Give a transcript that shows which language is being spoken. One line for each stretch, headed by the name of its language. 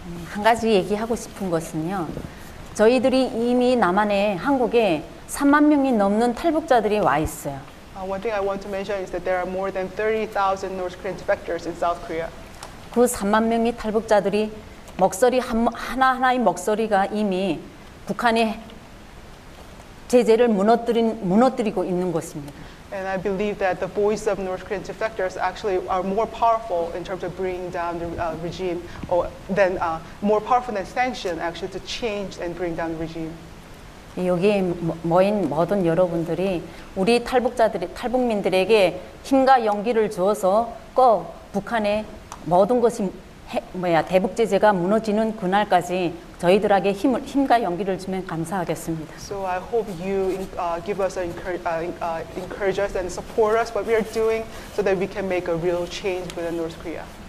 Korean: 한 가지 얘기하고 싶은 것은요. 저희들이 이미 남한에 한국에 3만 명이 넘는 탈북자들이 와 있어요.
English: One thing I want to mention is that there are more than 30,000 North Korean defectors in South Korea.
Korean: 그 3만 명의 탈북자들이 목소리 하나하나의 목소리가 이미 북한에 제재를 무너뜨리고 있는 것입니다.
English: And I believe that the voice of North Korean defectors actually are more powerful in terms of bringing down the regime or than more powerful than sanction actually to change and bring down the regime.
Korean: 여기 모인 모든 여러분들이 우리 탈북자들이 탈북민들에게 힘과 용기를 주어서 꼭 북한의 모든 것이 대북 제재가 무너지는 그날까지 저희들에게 힘과 용기를 주면 감사하겠습니다.
English: So I hope you give us encourage us and support us what we are doing so that we can make a real change within North Korea.